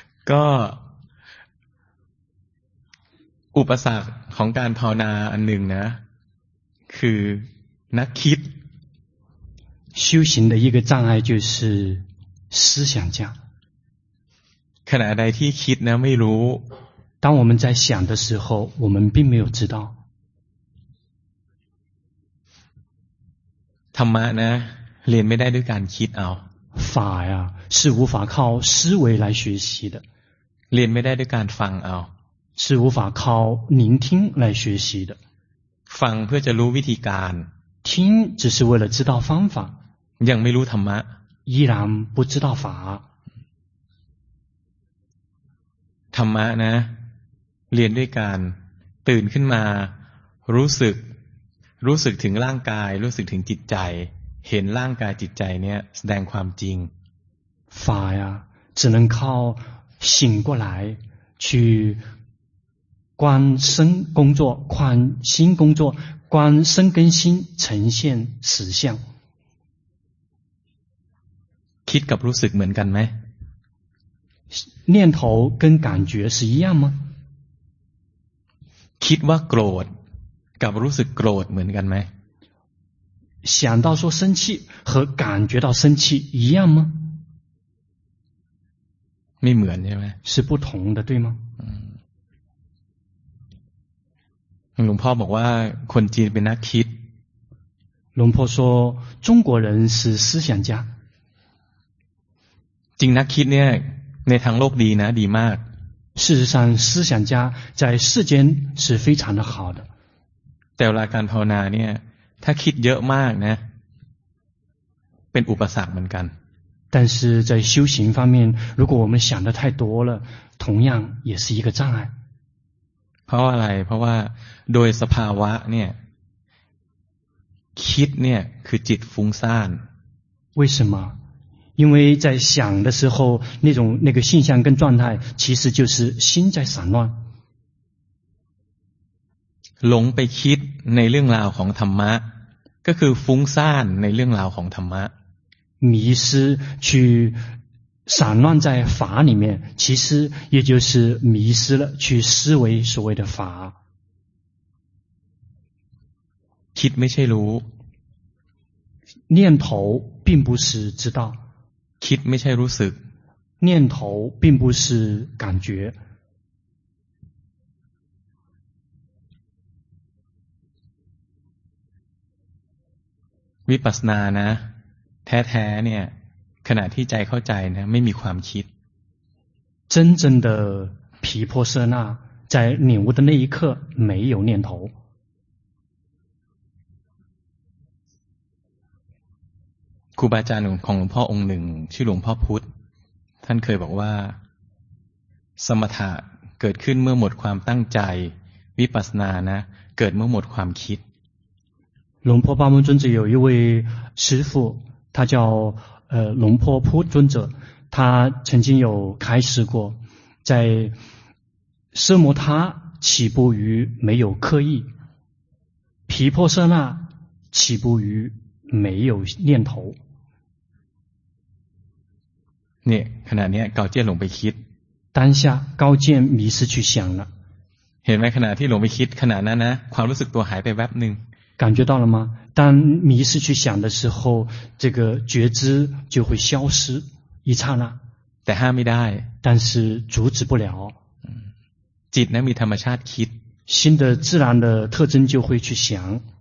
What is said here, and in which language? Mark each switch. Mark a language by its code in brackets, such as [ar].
[th] ก็อุปสรรคของการภาวนาอันหนึ่งนะคือนักคิด [zh] 修行的一个障碍就是思想家 [th] ขณะใดที่คิดนะไม่รู้ [zh] 当我们在想的时候我们并没有知道 [th] ธรรมะนะเรียนไม่ได้ด้วยการคิดเอา [zh] 法呀是无法靠思维来学习的 [th] เรียนไม่ได้ด้วยการฟังเอา [zh] 是无法靠聆听来学习的 [th] ฟังเพื่อจะรู้วิธีการ [zh] 听只是为了知道方法 [th] ยังไม่รู้ธรรมะ [zh] 依然不知道法 [th] ธรรมะนะเรียนด้วยการตื่นขึ้นมารู้สึกถึงร่างกายรู้สึกถึงจิตใจเห็นร่างกายจิตใจเนี่ยแสดงความจริง [zh] 法呀只能靠醒过来去观身工作，观心工作，观身跟心呈现实相。 [th] คิดกับรู้สึกเหมือนกันไหม？ [zh] 念头跟感觉是一样吗？ [th] คิดว่าโกรธกับรู้สึกโกรธเหมือนกันไหม？ [zh] 想到说生气和感觉到生气一样吗？ [th] ไม่เหมือนใช่ไหม？ [zh] 是不同的，对吗？ [th] หลวงพ่อบอกว่าคนจีนเป็นนักคิด [zh] หลวงพ่อ说中国人是思想家 [th] จริงนักคิดเนี่ยในทางโลกดีนะดีมาก [zh] 事实上思想家在世间是非常的好的 [th] แต่เวลาการภาวนาเนี่ยถ้าคิดเยอะมากนะเป็นอุปสรรคเหมือนกัน [zh] 但是在修行方面如果我们想的太多了同样也是一个障碍 [th] เพราะอะไรเพราะว่าโดยสภาวะเนี่ยคิดเนี่ยคือจิตฟุ้งซ่าน [zh] 为什么因为在想的时候那种那个现象跟状态其实就是心在散乱 [th] หลงไปคิดในเรื่องราวของธรรมะก็คือฟุ้งซ่านในเรื่องราวของธรรมะ [zh] 迷失去散乱在法里面其实也就是迷失了去思维所谓的法 [th] คิดไม่ใช่รู้ [zh] 念头并不是知道 [th] คิดไม่ใช่รู้สึก [zh] 念头并不是感觉 [th] วิปัสสนานะแท้ๆเนี่ยขณะที่ใจเข้าใจนะไม่มีความคิด [zh] 真正的毗婆舍那在领悟的那一刻没有念头 [th] ครูบาอาจารย์ของหลวงพ่อองค์หนึ่งชื่อหลวงพ่อพุทธท่านเคยบอกว่าสมถะเกิดขึ้นเมื่อหมดความตั้งใจวิปัสสนานะเกิดเมื่อหมดความคิด [zh] หลวงพ่อปามุนจุนจะ有一位师父他叫龙婆普尊者他曾经有开示过在奢摩他起步于没有刻意毗婆舍那起步于没有念头 [th] นี่ขณะนี้高见หลงไปคิด [zh] 当下高见迷失去想了 [th] เห็นไหมขณะที่หลงไปคิดขณะนั้นนะความรู้สึกตัวหายไปแวบหนึ่ง [zh] 感觉到了吗当迷失去想的时候这个觉知就会消失一刹那 [th] แต่ห้ามไม่ได้ [zh] 但是阻止不了 [th] จิตนั้นมีธรรมชาติคิด [zh] 心的自然的特征就会去想